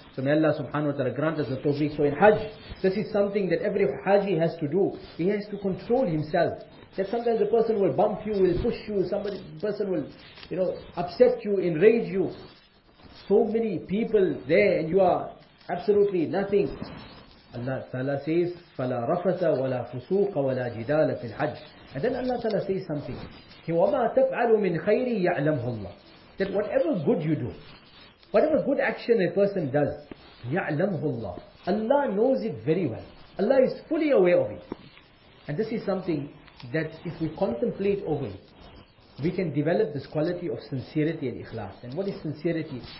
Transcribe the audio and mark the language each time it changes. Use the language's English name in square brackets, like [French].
[English] So may Allah subhanahu wa ta'ala grant us the tawfiq. So in Hajj, this is something that every haji has to do. He has to control himself. That sometimes a person will bump you, will push you, somebody, person will, you know, upset you, enrage you. So many people there and you are absolutely nothing. Allah Ta'ala says, [Arabic] فَلَا رَفَثَ وَلَا فُسُوقَ وَلَا جِدَالَ فِي الْحَجِّ. [English] And then Allah Ta'ala says something. [Arabic] وَمَا تَفْعَلُ مِنْ خَيْرِ يَعْلَمْهُ اللَّهِ. [English] That whatever good you do, whatever good action a person does, [Arabic] يَعْلَمْهُ اللَّهِ. [English] Allah knows it very well. Allah is fully aware of it. And this is something that if we contemplate over it, we can develop this quality of sincerity and ikhlas. And what is sincerity?